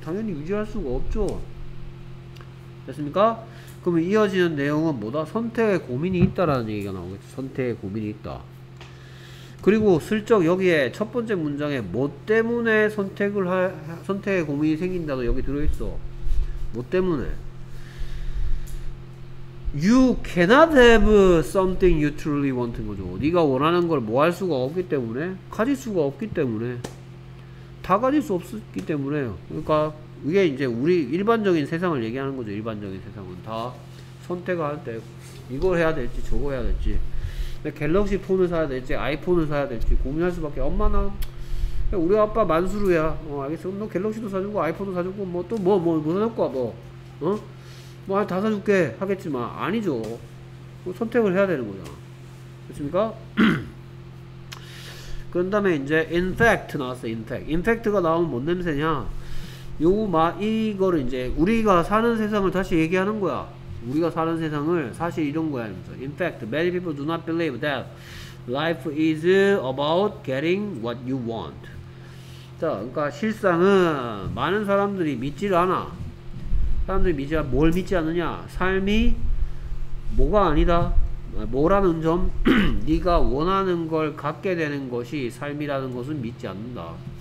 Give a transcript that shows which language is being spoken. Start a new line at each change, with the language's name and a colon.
Korean: 당연히 유지할 수가 없죠. 됐습니까? 그러면 이어지는 내용은 뭐다? 선택에 고민이 있다라는 얘기가 나오겠죠. 선택에 고민이 있다. 그리고 슬쩍 여기에 첫 번째 문장에 뭐 때문에 선택에 고민이 생긴다도 여기 들어있어. 뭐 때문에?
English: You cannot have something you truly want
Korean: 인 거죠. 네가 원하는 걸 뭐 할 수가 없기 때문에? 가질 수가 없기 때문에? 다 가질 수 없기 때문에. 그러니까 이게 이제 우리 일반적인 세상을 얘기하는 거죠. 일반적인 세상은 다 선택을 할 때 이걸 해야 될지 저거 해야 될지 갤럭시 폰을 사야 될지 아이폰을 사야 될지 고민할 수밖에. 엄마나 우리 아빠 만수루야. 알겠어. 너 갤럭시도 사주고 아이폰도 사주고 뭐 또 뭐 뭐 뭐 사줄 거야 뭐 어? 뭐 다 사줄게 하겠지만 아니죠. 선택을 해야 되는 거야. 그렇습니까? 그 다음에 이제
English: in fact
Korean: 나왔어. in fact. in fact가 나오면 뭔 냄새냐? 요거 이거를 이제 우리가 사는 세상을 다시 얘기하는 거야. 우리가 사는 세상을 사실 이런 거야.
English: In fact, many people do not believe that life is about getting what you want.
Korean: 자, 그러니까 실상은 많은 사람들이 믿질 않아. 사람들이 믿지 않아. 뭘 믿지 않느냐? 삶이 뭐가 아니다. 뭐라는 점? 네가 원하는 걸 갖게 되는 것이 삶이라는 것은 믿지 않는다.